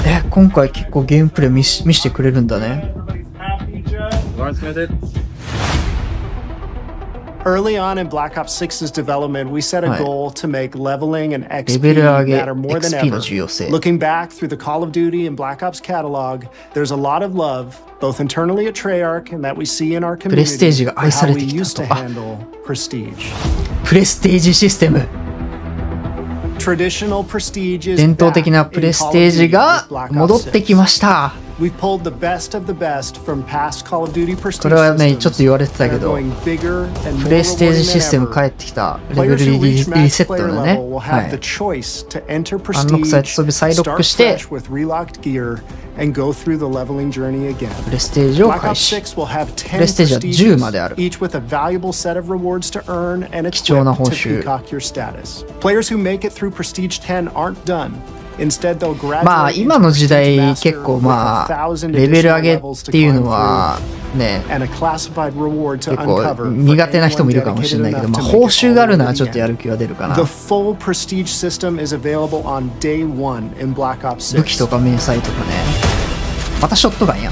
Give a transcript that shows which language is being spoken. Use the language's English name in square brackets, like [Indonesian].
[Japanese] 今回結構ゲームプレイ見せてくれるんだね。 [English] Early on in Black Ops 6's development, we set a goal to make leveling and XP matter more than ever. Looking back through the Call of Duty and Black Ops catalog, there's a lot of love, both internally at Treyarch and that we see in our community, for how we used to handle prestige. Prestige system. Traditional prestige is back in Call of Duty with Black Ops 6. We pulled the best of the best from past Call of Duty prestige. [Japanese] これはねちょっと言われてたけど、プレステージシステム帰ってきた、レベルリセットのね、はい。アンロックされて、それ再ロックして、プレステージを開始。プレステージは10まである。 [English] Each with a valuable set of rewards to earn and equip [Japanese] 貴重な報酬。 [English] To peacock your status. Players who make it through prestige 10 aren't done. [Japanese] まあ今の時代結構まあレベル上げっていうのはね結構苦手な人もいるかもしれないけど、まあ、報酬があるならちょっとやる気は出るかな。武器とか迷彩とかね。またショットガンやん。